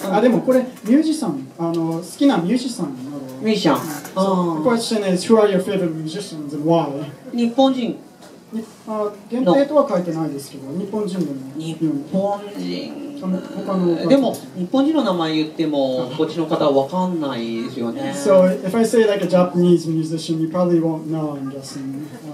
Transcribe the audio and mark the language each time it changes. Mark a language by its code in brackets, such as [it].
[ja] あ、でもこれミュージシャン、好きなミュージシャン。ミュージシャン。 [en] The question is, who are your favorite musicians and why? [ja] 日本人。限定とは書いてないですけど、日本人でも。日本人でも日本人の名前言ってもこっちの方は分かんないですよね。 [en] So if I say like a Japanese musician, you probably won't know, I'm guessing.